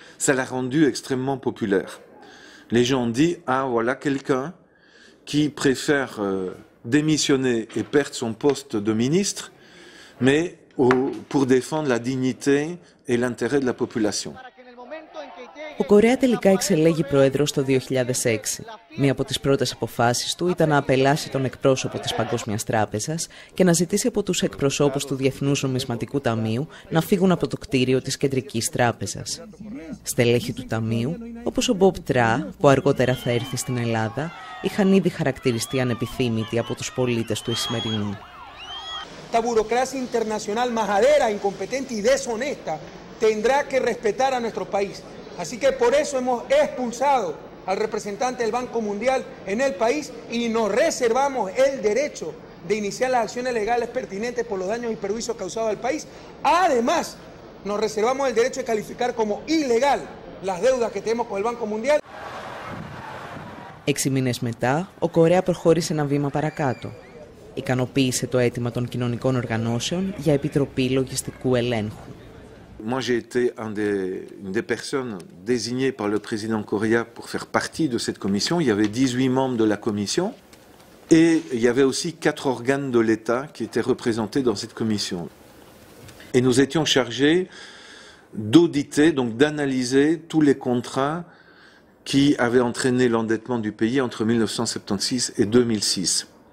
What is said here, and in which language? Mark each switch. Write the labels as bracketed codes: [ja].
[fr] Ça l'a rendu extrêmement populaire. Les gens ont dit, ah voilà quelqu'un qui préfère démissionner et perdre son poste de ministre, mais pour défendre la dignité et l'intérêt de la population. [el] Ο Κορέα τελικά εξελέγει πρόεδρος το 2006. Μία από τις πρώτες αποφάσεις του ήταν να απελάσει τον εκπρόσωπο της Παγκόσμιας Τράπεζας και να ζητήσει από τους εκπροσώπους του Διεθνούς Νομισματικού Ταμείου να φύγουν από το κτίριο της Κεντρικής Τράπεζας. Στελέχη του Ταμείου, όπως ο Μπομπ Τρά, που αργότερα θα έρθει στην Ελλάδα, είχαν ήδη χαρακτηριστεί ανεπιθύμητοι από τους πολίτες του εσημερινού. Τα βουροκράσια [es] internacional majadera, incompetente y deshonesta tendrá que respetar a nuestro país. Así que por eso hemos expulsado al representante del Banco Mundial en el país y nos reservamos el derecho de iniciar las acciones legales pertinentes por los daños y perjuicios causados al país. Además, nos reservamos el derecho de calificar como ilegal las deudas que tenemos con el Banco Mundial. [el] 6 meses μετά, ο Κορέα προχώρησε ένα βήμα παρακάτω. Ικανοποίησε το αίτημα των κοινωνικών οργανώσεων για επιτροπή λογιστικού ελέγχου. [fr] Moi, j'ai été une des personnes désignées par le président Correa pour faire partie de cette commission. Il y avait 18 membres de la commission et il y avait aussi 4 organes de l'État qui étaient représentés dans cette commission. Et nous étions chargés d'auditer, donc d'analyser tous les contrats qui avaient entraîné l'endettement du pays entre 1976 et 2006.